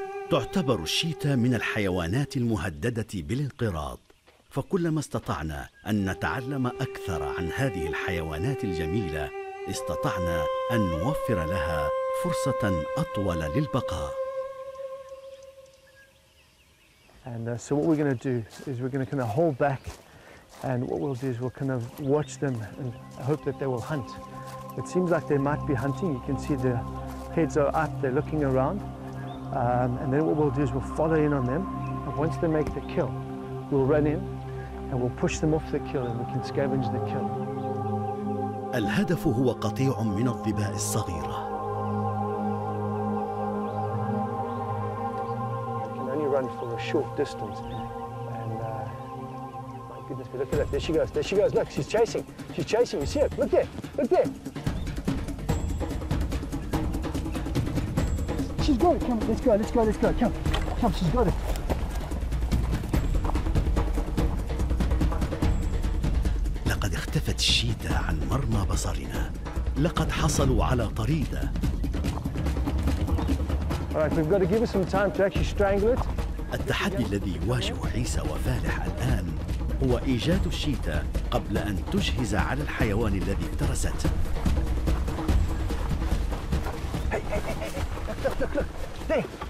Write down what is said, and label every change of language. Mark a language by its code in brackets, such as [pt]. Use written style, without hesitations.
[ar] تعتبر الشيتا من الحيوانات المهددة بالانقراض، فكلما استطعنا أن نتعلم أكثر عن هذه الحيوانات الجميلة استطعنا أن نوفر لها فرصة أطول للبقاء. [en] So what we're going to do is we're going to kind of hold back, and what we'll do is we'll kind of watch them and hope that they will hunt. It seems like they might be hunting. You can see their heads are up, they're looking around, and then what we'll do is we'll follow in on them, and once they make the kill, we'll run in and we'll push them off the kill, and we can scavenge the kill. [ar] الهدف هو قطيع من الظباء الصغيرة. [en] For a short distance, and my goodness, look at that! There she goes! There she goes! Look, she's chasing! She's chasing! You see it? Look there! Look there! She's got it! Come, let's go! Let's go! Let's go! Come, come! She's got it! [ar] لقد اختفت الشيتا عن مرمى بصرنا. لقد حصلوا على طريدة. [en] All right, we've got to give her some time to actually strangle it. [ar] التحدي الذي يواجه عيسى وفالح الآن هو إيجاد الشيتا قبل أن تجهز على الحيوان الذي افترسته. [en] Hey, hey, hey, hey, look, look, look, look, there.